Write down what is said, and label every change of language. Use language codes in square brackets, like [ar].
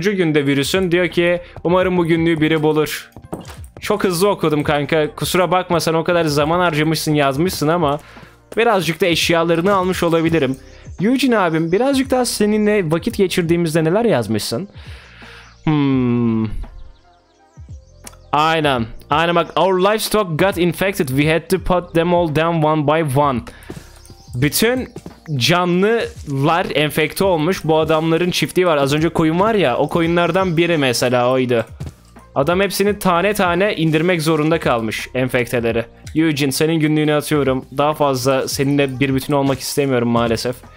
[tr] günde virüsün diyor ki umarım bu günlüğü biri bulur. Çok hızlı okudum kanka. Kusura bakma, sen o kadar zaman harcamışsın yazmışsın ama birazcık da eşyalarını almış olabilirim. Eugene abim, birazcık daha seninle vakit geçirdiğimizde neler yazmışsın? Aynen. Aynen bak, [en] our livestock got infected. We had to put them all down one by one. [tr] Bütün canlılar enfekte olmuş. Bu adamların çiftliği var. Az önce koyun var ya, o koyunlardan biri mesela oydu. Adam hepsini tane tane indirmek zorunda kalmış enfekteleri. Eugene, senin günlüğünü atıyorum. Daha fazla seninle bir bütün olmak istemiyorum maalesef.